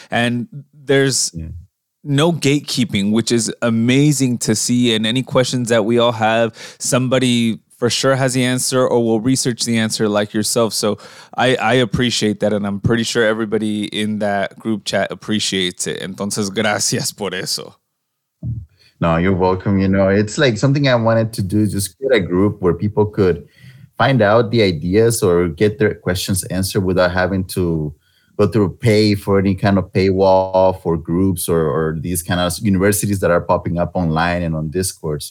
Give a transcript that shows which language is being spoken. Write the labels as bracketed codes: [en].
[en] And there's, yeah, no gatekeeping, which is amazing to see. And any questions that we all have, somebody for sure has the answer or will research the answer like yourself. So I appreciate that. And I'm pretty sure everybody in that group chat appreciates it. [es] Entonces, gracias por eso. [en] No, you're welcome. You know, it's like something I wanted to do, just create a group where people could find out the ideas or get their questions answered without having to go through pay for any kind of paywall for groups or these kind of universities that are popping up online and on Discord.